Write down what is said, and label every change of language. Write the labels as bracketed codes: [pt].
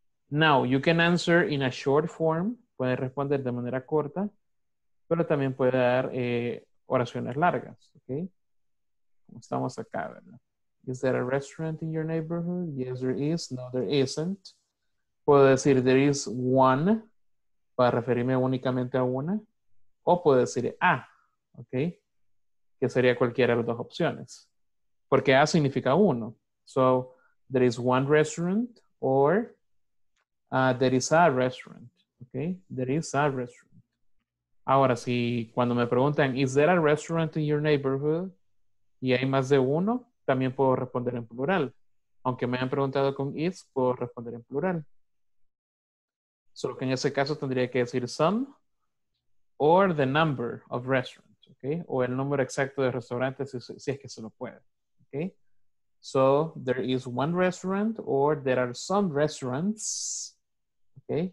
[en] Now, you can answer in a short form. [es] Puede responder de manera corta, pero también puede dar oraciones largas. [en] Okay. [es] Como estamos acá, ¿verdad? [en] Is there a restaurant in your neighborhood? Yes, there is. No, there isn't. [es] Puedo decir, [en] there is one, [es] para referirme únicamente a una. O puedo decir, ah, ok. Que sería cualquiera de las dos opciones. Porque ah significa uno. [en] So, there is one restaurant, or there is a restaurant. Ok, there is a restaurant. [es] Ahora, si cuando me preguntan, [en] is there a restaurant in your neighborhood? [es] Y hay más de uno, también puedo responder en plural. Aunque me hayan preguntado con is, puedo responder en plural. Solo que en ese caso tendría que decir [en] some or the number of restaurants, [es] ¿ok? O el número exacto de restaurantes, si es que se lo puede, ¿ok? [en] So, there is one restaurant or there are some restaurants, ¿ok?